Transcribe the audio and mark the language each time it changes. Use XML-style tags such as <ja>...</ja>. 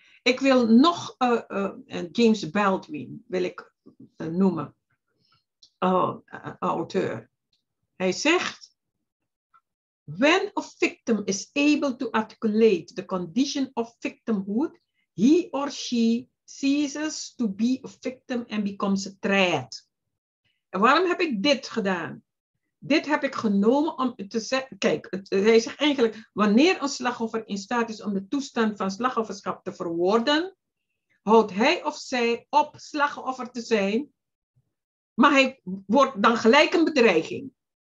<nl>Ik wil nog James Baldwin wil ik noemen, auteur. Hij zegt,</nl> <en>when a victim is able to articulate the condition of victimhood, he or she ceases to be a victim and becomes a threat.</en> <nl>En waarom heb ik dit gedaan? Dit heb ik genomen om te zeggen, kijk, hij zegt eigenlijk, wanneer een slachtoffer in staat is om de toestand van slachtofferschap te verwoorden, houdt hij of zij op slachtoffer te zijn, maar hij wordt dan gelijk een bedreiging.</nl>